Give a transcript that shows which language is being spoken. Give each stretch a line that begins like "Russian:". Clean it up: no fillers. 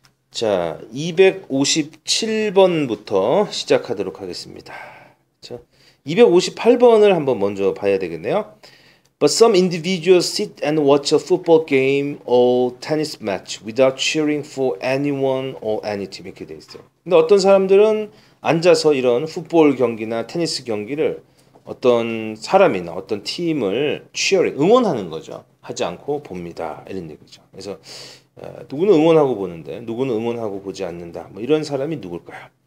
Korean: 자, 257번부터 시작하도록 하겠습니다. 자, 258번을 한번 먼저 봐야 되겠네요.
English: But some individuals sit and watch a football game or tennis match without cheering for anyone or any team.
Korean: 이렇게 돼 있어요. 근데 어떤 사람들은 앉아서 이런 풋볼 경기나 테니스 경기를 어떤 사람이나 어떤 팀을 cheering, 응원하는 거죠. 하지 않고 봅니다. 이런 얘기죠. 그래서 누구는 응원하고 보는데, 누구는 응원하고 보지 않는다. 뭐 이런 사람이 누굴까요?